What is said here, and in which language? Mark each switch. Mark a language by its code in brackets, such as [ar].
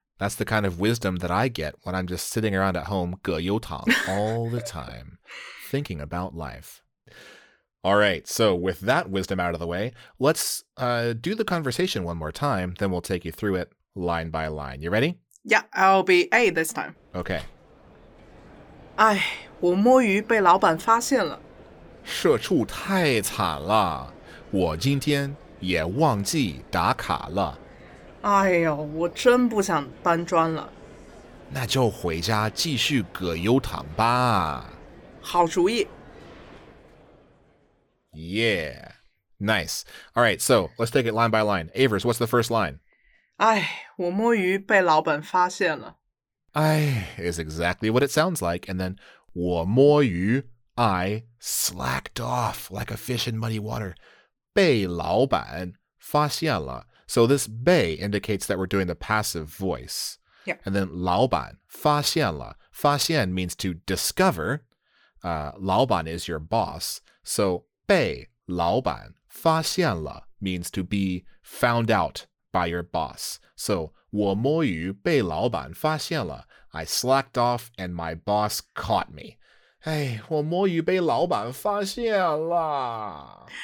[en] That's the kind of wisdom that I get when I'm just sitting around at home [zh] 葛优躺 [en] all the time. Thinking about life. All right, so with that wisdom out of the way, let's do the conversation one more time, then we'll take you through it line by line. You ready? Yeah, I'll be A this time. Okay. [zh] 哎，我摸鱼被老板发现了。社畜太惨了，我今天也忘记打卡了。哎呦，我真不想搬砖了。那就回家继续葛优躺吧。好主意。 [en] Yeah. Nice. All right, so let's take it line by line. Avers, what's the first line? [zh] 哎，我摸鱼被老板发现了。 [en] 哎is exactly what it sounds like. And then [zh] 我摸鱼, [en] I slacked off like a fish in muddy water. [zh] 被老板发现了. [en] So this bei indicates that we're doing the passive voice. Yeah. And then [zh] 老板发现了. [en] 发现 means to discover. 老板 is your boss. So [zh] 被老板发现了 [en] means to be found out by your boss. [zh] So 我摸鱼被老板发现了. [en] I slacked off and my boss caught me. Hey, [zh] 我摸鱼被老板发现了.